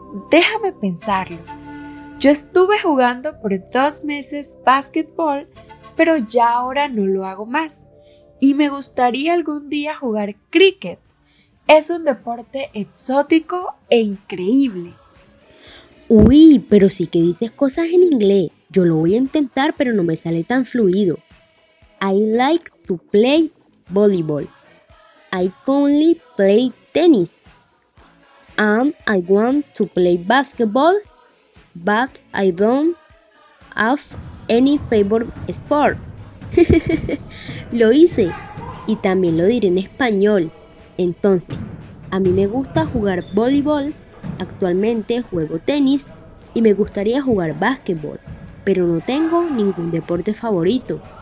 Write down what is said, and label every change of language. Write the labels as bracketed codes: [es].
[es] Déjame pensarlo. Yo estuve jugando por 2 meses básquetbol, pero ya ahora no lo hago más. Y me gustaría algún día jugar cricket. Es un deporte exótico e increíble. Uy, pero sí que dices cosas en inglés. Yo lo voy a intentar, pero no me sale tan fluido. [en] I like to play volleyball. I only play tennis. And I want to play basketball, but I don't have any favorite sport. [es] Lo hice, y también lo diré en español. Entonces, a mí me gusta jugar voleibol, Actualmente juego tenis y me gustaría jugar básquetbol, pero no tengo ningún deporte favorito.